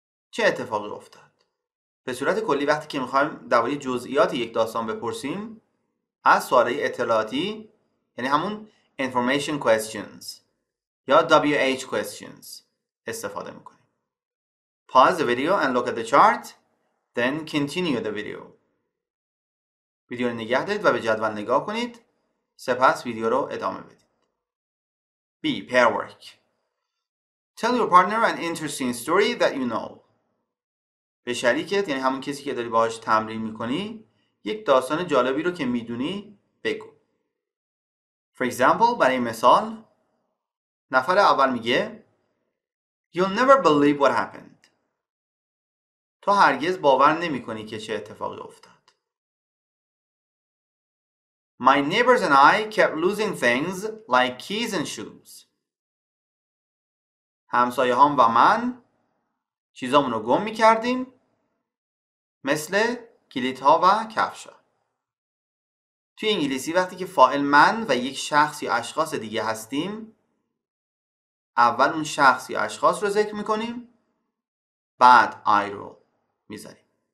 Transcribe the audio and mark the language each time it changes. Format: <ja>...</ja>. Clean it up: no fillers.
<fa>چه اتفاقی افتاد؟ به صورت کلی وقتی که میخوایم درباره جزئیات یک داستان بپرسیم از سوالهای اطلاعاتی یعنی همون Information Questions یا WH Questions استفاده میکنیم.</fa> <en>Pause the video and look at the chart then continue the video.</en> <fa>ویدیو رو نگه دارید و به جدول نگاه کنید سپس ویدیو رو ادامه بدید.</fa> <en>B. Pair work. Tell your partner an interesting story that you know.</en> <fa>به شریکت یعنی همون کسی که داری باهاش تمرین میکنی یک داستان جالبی رو که میدونی بگو.</fa> <en>For example,</en> <fa>برای مثال نفر اول میگه</fa> <en>You'll never believe what happened.</en> <fa>تو هرگز باور نمیکنی که چه اتفاقی افتاد.</fa> <en>My neighbors and I kept losing things like keys and shoes.</en> <fa>همسایه‌هام و من چیزامون رو گم می‌کردیم مثل کلیدها و کفشا. توی انگلیسی وقتی که فاعل من و یک شخص یا اشخاص دیگه هستیم اول اون شخص یا اشخاص رو ذکر می‌کنیم بعد I رو می‌ذاریم.</fa>